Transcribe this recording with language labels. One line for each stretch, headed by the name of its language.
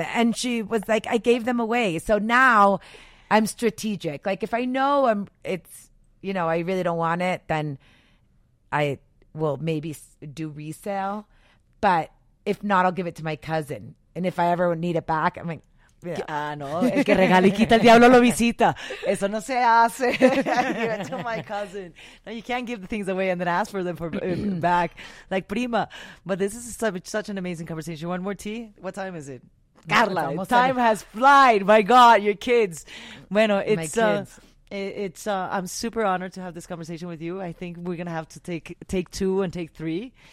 English: And she was like, I gave them away. So now I'm strategic. Like, if I know it's, you know, I really don't want it, then I will maybe do resale. But if not, I'll give it to my cousin. And if I ever need it back, I'm like, yeah. Ah, no.
Spanish: El que regala y quita, el diablo lo visita. Eso no se hace.
English: Give it to my cousin. No, you can't give the things away and then ask for them for back. Like, prima. But this is such an amazing conversation. One more tea? What time is it? Carla. No, time has flied. My God, your kids. Bueno, it's... My kids. I'm super honored to have this conversation with you. I think we're going to have to take two and take three.